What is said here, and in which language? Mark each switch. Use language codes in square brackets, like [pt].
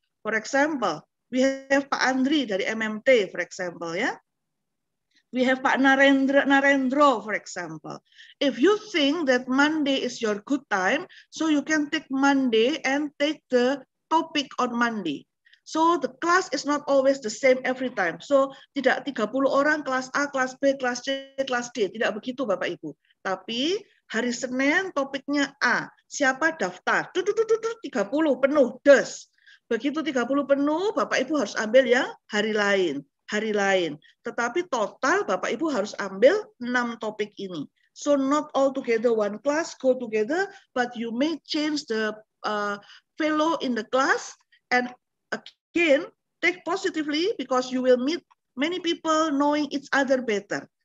[en] For example, we have Pak Andri dari MMT, for example, yeah? We have Pak Narendra, for example. If you think that Monday is your good time, so you can take Monday and take the topic on Monday. So the class is not always the same every time. [id] So tidak 30 orang kelas A, kelas B, kelas C, kelas D. Tidak begitu, Bapak Ibu. Tapi hari Senin topiknya A. Siapa daftar? 30 penuh, des. Begitu 30 penuh, Bapak Ibu harus ambil yang hari lain. Hari lain, tetapi total Bapak Ibu harus ambil 6 topik ini. [en] So not all together one class go together, but you may change the fellow in the class, and again take positively because you will meet many people knowing each other better.